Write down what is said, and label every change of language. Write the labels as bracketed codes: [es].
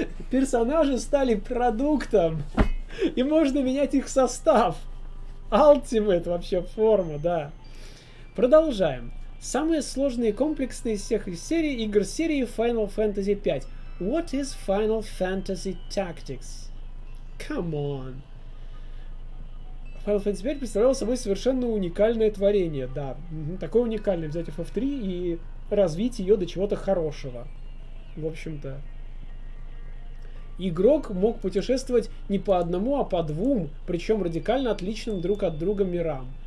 [ru] Персонажи стали продуктом. И можно менять их состав. Ultimate вообще форма, да. Продолжаем. Самые сложные и комплексные из всех серий, игр серии Final Fantasy V. [en] What is Final Fantasy Tactics? Come on. [ru] Final Fantasy V представлял собой совершенно уникальное творение. Да, такое уникальное. Взять FF3 и развить ее до чего-то хорошего. В общем-то. Игрок мог путешествовать не по одному, а по двум, причем радикально отличным друг от друга мирам.